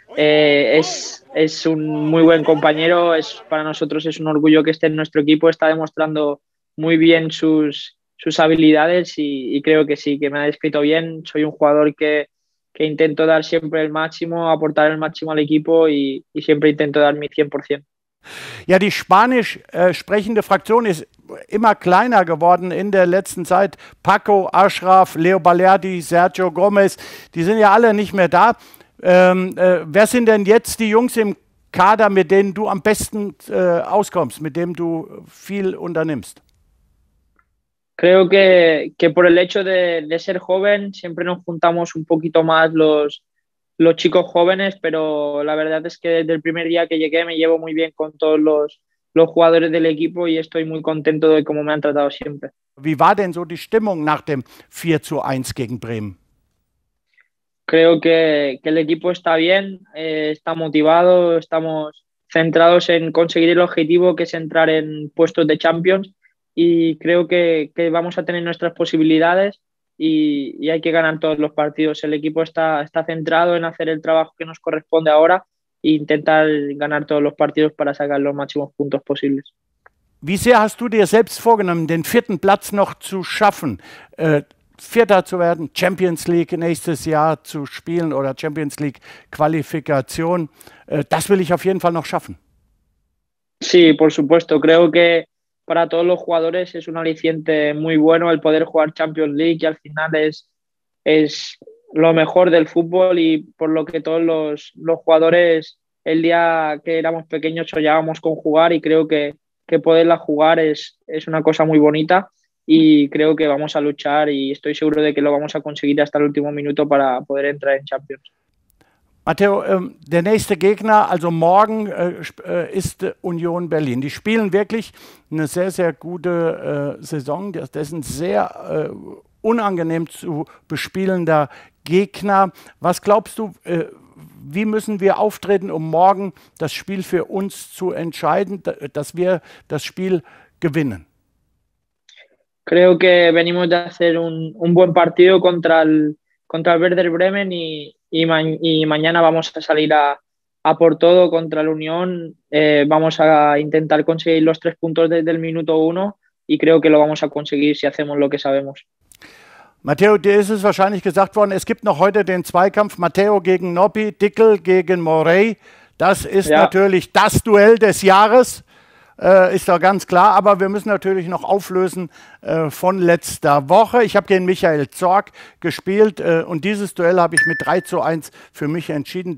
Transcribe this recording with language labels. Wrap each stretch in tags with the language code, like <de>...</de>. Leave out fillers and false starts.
<es>Es un muy buen compañero. Para nosotros es un orgullo que esté en nuestro equipo. Está demostrando muy bien sus habilidades y creo que sí, que me ha descrito bien. Soy un jugador que intento dar siempre el máximo, aportar el máximo al equipo y siempre intento dar mi 100%.</es> <de>Ja, die spanisch sprechende Fraktion ist immer kleiner geworden in der letzten Zeit. Paco, Ashraf, Leo Balerdi, Sergio Gomez, die sind ja alle nicht mehr da. Wer sind denn jetzt die Jungs im Kader, mit denen du am besten auskommst, mit denen du viel unternimmst?</de> <es>Creo que por el hecho de ser joven, siempre nos juntamos un poquito más los chicos jóvenes, pero la verdad es que desde el primer día que llegué me llevo muy bien con todos los jugadores del equipo y estoy muy contento de cómo me han tratado siempre.</es> <de>Wie war denn so die Stimmung nach dem 4:1 gegen Bremen?</de> <es>Creo que el equipo está bien, está motivado, estamos centrados en conseguir el objetivo que es entrar en puestos de Champions y creo que vamos a tener nuestras posibilidades. Y hay que ganar todos los partidos. El equipo está centrado en hacer el trabajo que nos corresponde ahora e intentar ganar todos los partidos para sacar los máximos puntos posibles.</es> <de>Wie sehr hast du dir selbst vorgenommen, den vierten Platz noch zu schaffen? Vierter zu werden, Champions League nächstes Jahr zu spielen oder Champions League Qualifikation? Das will ich auf jeden Fall noch schaffen.</de> <es>Sí, por supuesto. Creo que para todos los jugadores es un aliciente muy bueno el poder jugar Champions League y al final es lo mejor del fútbol y por lo que todos los jugadores el día que éramos pequeños soñábamos con jugar y creo que poderla jugar es una cosa muy bonita y creo que vamos a luchar y estoy seguro de que lo vamos a conseguir hasta el último minuto para poder entrar en Champions.</es> <de>Mateo, der nächste Gegner, also morgen, ist Union Berlin. Die spielen wirklich eine sehr, sehr gute Saison. Das ist ein sehr unangenehm zu bespielender Gegner. Was glaubst du, wie müssen wir auftreten, um morgen das Spiel für uns zu entscheiden, dass wir das Spiel gewinnen?</de> <es>Creo que venimos de hacer un buen partido contra el Werder Bremen y mañana vamos a salir a por todo contra el Unión. Vamos a intentar conseguir los tres puntos desde el minuto uno y creo que lo vamos a conseguir si hacemos lo que sabemos.</es> <de>Mateo, dir ist es wahrscheinlich gesagt worden, es gibt noch heute den Zweikampf Mateo gegen Nobby, Dickel gegen Morey. Das ist natürlich das Duell des Jahres, ist doch ganz klar. Aber wir müssen natürlich noch auflösen von letzter Woche. Ich habe gegen Michael Zorc gespielt und dieses Duell habe ich mit 3-1 für mich entschieden.</de>